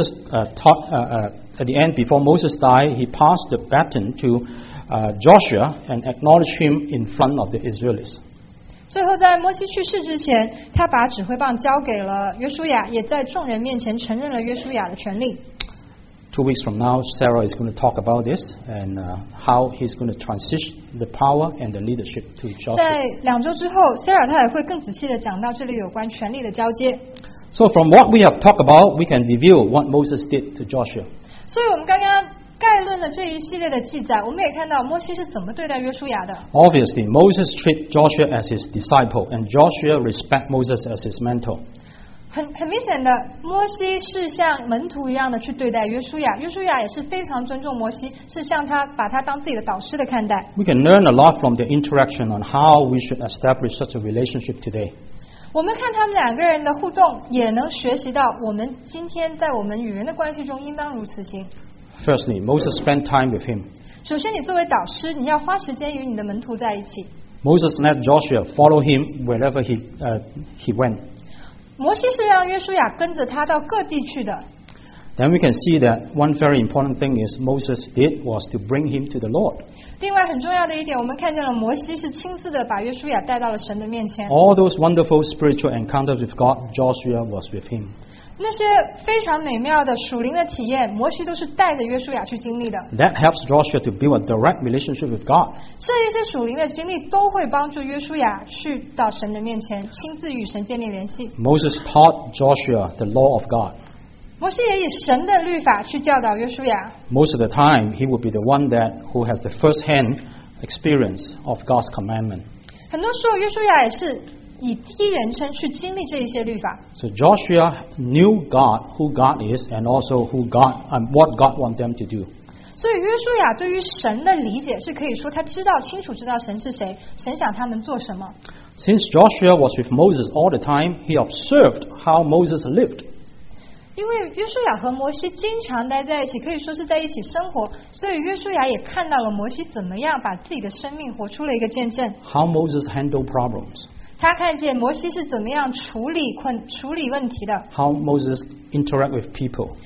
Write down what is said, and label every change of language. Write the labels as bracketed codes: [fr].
[en] At the end, before Moses died, he passed the baton to Joshua and acknowledged him in front of the Israelites. [zh] 最后在摩西去世之前，他把指挥棒交给了约书亚，也在众人面前承认了约书亚的权利。 [en] Two weeks from now, Sarah is going to talk about this and how he's going to transition the power and the leadership to Joshua. [zh] 在两周之后 ，Sarah 她也会更仔细的讲到这里有关权力的交接。 [en] So from what we have talked about, we can review what Moses did to Joshua. [zh] 所以我们刚刚概论的这一系列的记载，我们也看到摩西是怎么对待约书亚的。 [en] Obviously, Moses treated Joshua as his disciple, and Joshua respect Moses as his mentor. [zh] 很明显的，摩西是像门徒一样的去对待约书亚，约书亚也是非常尊重摩西，是像他把他当自己的导师的看待。 [en] We can learn a lot from the interaction on how we should establish such a relationship today. [zh] 我们看他们两个人的互动，也能学习到我们今天在我们与人的关系中应当如此行。 [en] Firstly, Moses spent time with him. [zh] 首先，你作为导师，你要花时间与你的门徒在一起。 [en] Moses let Joshua follow him wherever he went. [zh] 摩西是让约书亚跟着他到各地去的。 [en] Then we can see that one very important thing is Moses did was to bring him to the Lord. [zh] 另外很重要的一点，我们看见了摩西是亲自的把约书亚带到了神的面前。 [en] All those wonderful spiritual encounters with God, Joshua was with him. [zh] 那些非常美妙的属灵的体验，摩西都是带着约书亚去经历的。 [en] That helps Joshua to build a direct relationship with God. [zh] 这一些属灵的经历都会帮助约书亚去到神的面前，亲自与神建立联系。 [en] Moses taught Joshua the law of God. [zh] 摩西也以神的律法去教导约书亚。 [en] Most of the time, he would be the one that who has the first-hand experience of God's commandment. [zh] 很多时候，约书亚也是以第一人称去经历这一些律法。 [en] So Joshua knew God, who God is, and also who God and what God wants them to do. [zh] 所以约书亚对于神的理解是可以说他知道清楚知道神是谁，神想他们做什么。 [en] Since Joshua was with Moses all the time, he observed how Moses lived. [zh] 因为约书亚和摩西经常待在一起，可以说是在一起生活，所以约书亚也看到了摩西怎么样把自己的生命活出了一个见证。 [en] How Moses handled problems. [zh] 他看见摩西是怎么样处理问题的。 [en] How Moses interact with people.